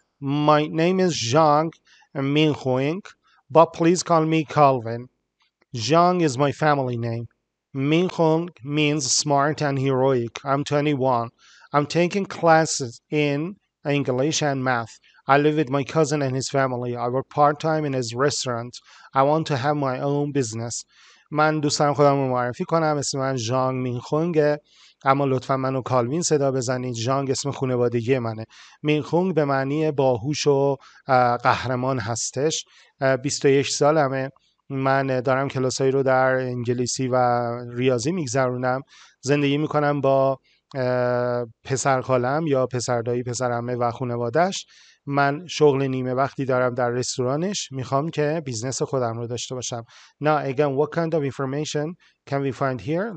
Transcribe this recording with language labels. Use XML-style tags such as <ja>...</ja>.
<en>My name is Zhang Minhuang, but please call me Calvin. Zhang is my family name. Minhuang means smart and heroic. I'm 21. I'm taking classes in English and math. I live with my cousin and his family. I work part-time in his restaurant. I want to have my own business.</en> <fa>من دوست دارم خودم رو معرفی کنم. اسم من ژانگ مینخونگه، اما لطفا منو کالوین صدا بزنید. ژانگ اسم خانوادگی منه. مینخونگ به معنی باهوش و قهرمان هستش. 21 سالمه. من دارم کلاسایی رو در انگلیسی و ریاضی میگذرونم. زندگی میکنم با پسر خالم یا پسر دایی، پسر عمه و خانوادش. من شغل نیمه وقتی دارم در رستورانش. میخوام که بیزنس خودم رو داشته باشم.</fa> <en>Now again, what kind of information can we find here?</en>